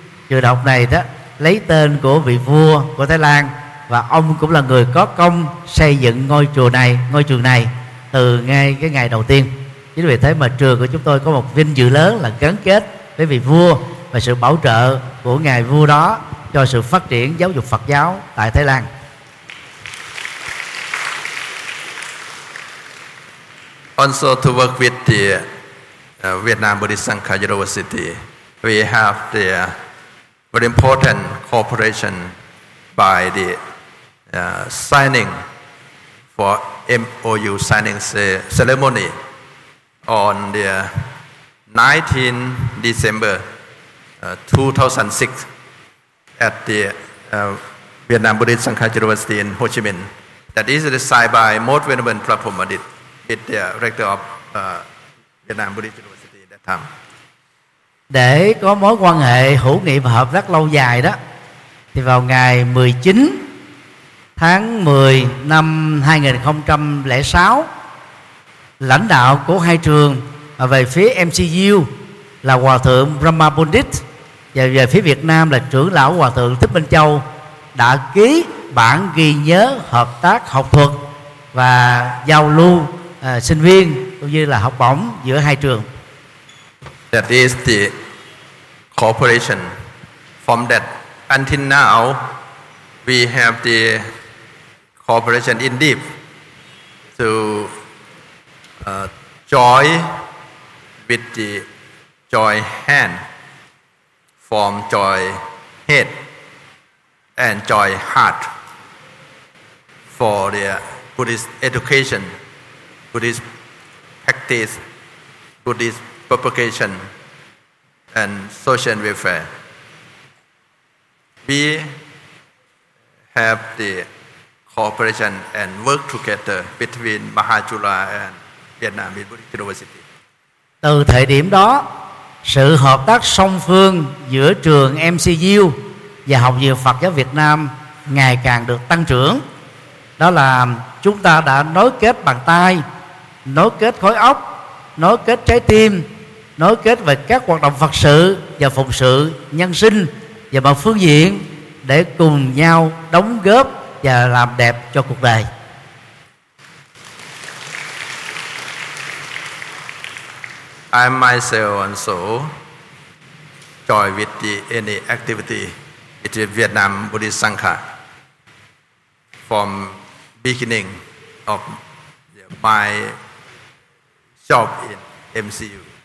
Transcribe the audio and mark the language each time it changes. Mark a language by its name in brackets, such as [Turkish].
[Vietnamese] Trường đại học này đó lấy tên của vị vua của Thái Lan, và ông cũng là người có công xây dựng ngôi chùa này, ngôi trường này từ ngay cái ngày đầu tiên. Chính vì thế mà trường của chúng tôi có một vinh dự lớn là gắn kết với vị vua và sự bảo trợ của ngài vua đó cho sự phát triển giáo dục Phật giáo tại Thái Lan. [English] Also to work with the Vietnam Buddhist Sangha University, we have the very important cooperation by the signing for MOU signing ceremony on the 19 December 2006 at the Vietnam Buddhist Sangha University in Ho Chi Minh. That is signed by Most Venerable Prapomadit, with the rector of Vietnam Buddhist University at that time. [Vietnamese] Để có mối quan hệ hữu nghị và hợp tác lâu dài đó, thì vào ngày 19 tháng 10 năm 2006, lãnh đạo của hai trường về phía MCU là Hòa Thượng Brahma Pundit và về phía Việt Nam là trưởng lão Hòa Thượng Thích Minh Châu đã ký bản ghi nhớ hợp tác học thuật và giao lưu sinh viên cũng như là học bổng giữa hai trường. [English] That is the cooperation. From that until now, we have the cooperation in deep to join hand, form join head and join heart for the Buddhist education, Buddhist practice, Buddhist propagation and social welfare. We have the cooperation and work together between Mahajula and Vietnam Buddhist University. [Vietnamese] Từ thời điểm đó, sự hợp tác song phương giữa trường MCU và Học viện Phật giáo Việt Nam ngày càng được tăng trưởng. Đó là chúng ta đã nối kết bàn tay, nối kết khối óc, nối kết trái tim, nối kết về các hoạt động Phật sự và phụng sự nhân sinh và mọi phương diện để cùng nhau đóng góp và làm đẹp cho cuộc đời. [English] I myself also join with the any activity between Vietnam Buddhist Sangha from beginning of my job in MCU.